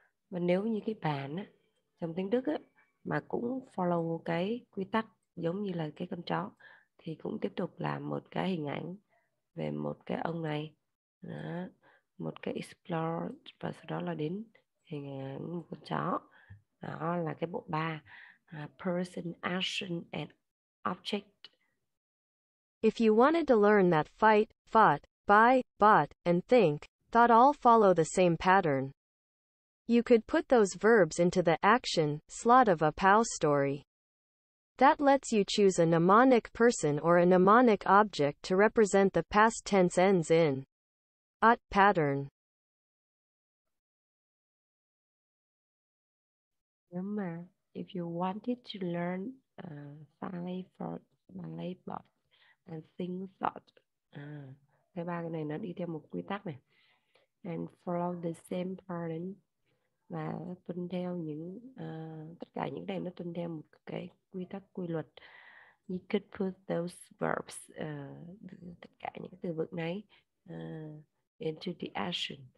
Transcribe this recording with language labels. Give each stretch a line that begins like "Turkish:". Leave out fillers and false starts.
Vietnamese: Và nếu như cái bản á, trong tiếng Đức á, mà cũng follow cái quy tắc giống như là cái con chó thì cũng tiếp tục là một cái hình ảnh về một cái ông này đó, một cái explorer, và sau đó là đến hình ảnh một con chó. Đó là cái bộ ba
English: person, action and object. If you wanted to learn that fight, fought, buy, bought, and think, thought all follow the same pattern. You could put those verbs into the action slot of a POW story. That lets you choose a mnemonic person or a mnemonic object to represent the past tense ends in ought pattern. If you wanted to learn finally for my labor and think thought.
Vietnamese: Cái ba cái này nó đi theo một quy tắc này.
English: And follow the same pattern.
Vietnamese: Và tuân theo những tất cả những cái này nó tuân theo một cái quy tắc, quy luật.
English: You could put those verbs
Vietnamese: tất cả những từ vựng này
English: into the action.